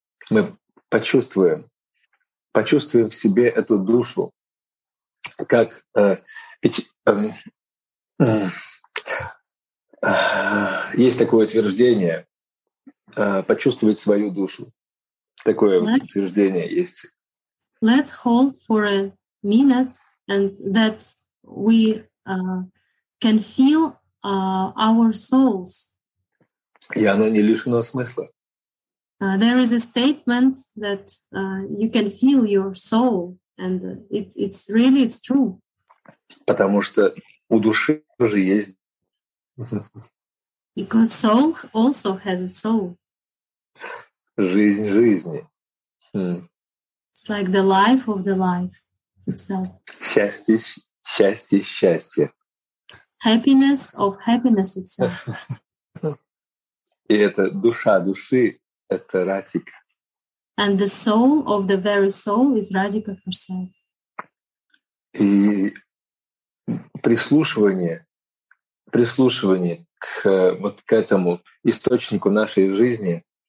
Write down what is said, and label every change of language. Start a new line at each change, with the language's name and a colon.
Russian: Мы почувствуем в себе эту душу, как есть такое утверждение, почувствовать свою душу. Такое утверждение есть.
English: Let's hold for a minute and that we can feel our souls.
Russian: И оно не лишено смысла.
English: There is a statement that you can feel your soul, and it's really true.
Russian: Потому что у души тоже есть.
English: Because soul also has a soul.
Russian: Жизнь жизни.
English: It's like the life of the life itself.
Russian: Счастье.
English: Happiness of happiness itself.
Russian: И это душа души, это Радхика.
English: And the soul of the very soul is Radhika herself.
Russian: И прислушивание к вот к этому источнику нашей жизни.